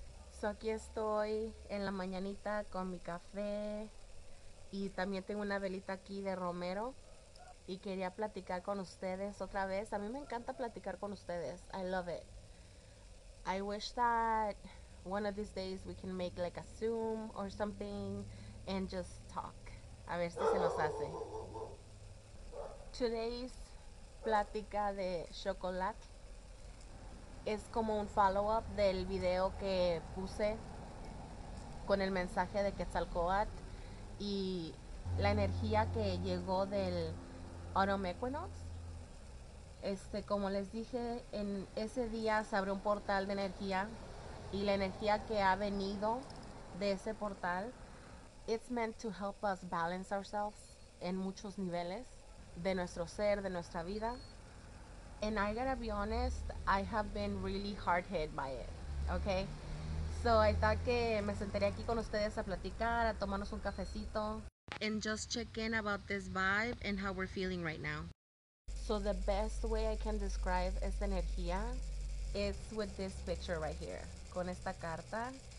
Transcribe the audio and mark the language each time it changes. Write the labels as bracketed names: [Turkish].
[Spanish] So aquí estoy en la mañanita con mi café y también tengo una velita aquí de romero y quería platicar con ustedes otra vez. A mí me encanta platicar con ustedes. [English] I love it. I wish that one of these days we can make like a Zoom or something and just talk. [Spanish] A ver si se nos hace. Today's plática de chocolate es como un follow-up del video que puse con el mensaje de Quetzalcóatl y la energía que llegó del Autumn Equinox. Como les dije, en ese día se abrió un portal de energía y la energía que ha venido de ese portal, [English] it's meant to help us balance ourselves [Spanish] en muchos niveles de nuestro ser, de nuestra vida. [English] And I gotta be honest, I have been really hard hit by it, okay? So I thought [Spanish] que me sentaría aquí con ustedes a platicar, a tomarnos un cafecito. [English] And just check in about this vibe and how we're feeling right now. So the best way I can describe [Spanish] esta energía [English] is with this picture right here, [Spanish] con esta carta.